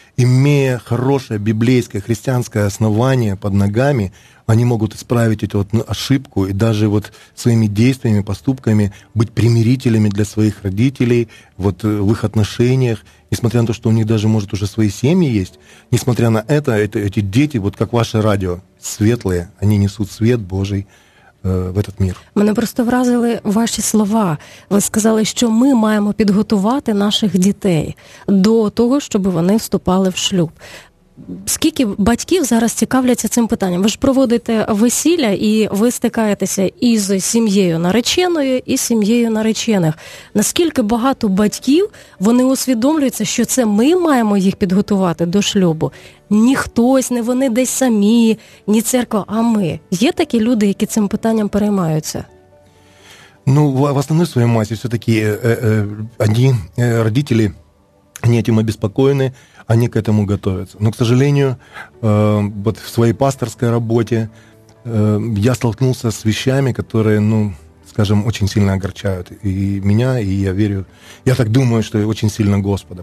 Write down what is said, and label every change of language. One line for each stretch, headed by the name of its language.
Russian: имея хорошее библейское христианское основание под ногами, они могут исправить эту вот ошибку и даже вот своими действиями, поступками быть примирителями для своих родителей вот в их отношениях. Несмотря на то, что у них даже, может, уже свои семьи есть, несмотря на это эти дети, вот как ваше радио, светлые, они несут свет Божий в этот мир.
Ukrainian: Мене просто вразили ваші слова. Ви сказали, що ми маємо підготувати наших дітей до того, щоб вони вступали в шлюб. Скільки батьків зараз цікавляться цим питанням? Ви ж проводите весілля, і ви стикаєтеся із сім'єю нареченою, і сім'єю наречених. Наскільки багато батьків, вони усвідомлюються, що це ми маємо їх підготувати до шлюбу? Ні хтось, не вони десь самі, ні церква, а ми. Є такі люди, які цим питанням переймаються? Ну, в основній своїй масі все-таки одні родителі,
Russian: Они этим обеспокоены, они к этому готовятся. Но, к сожалению, вот в своей пасторской работе я столкнулся с вещами, которые, ну, скажем, очень сильно огорчают и меня, и я верю, я так думаю, что и очень сильно Господа.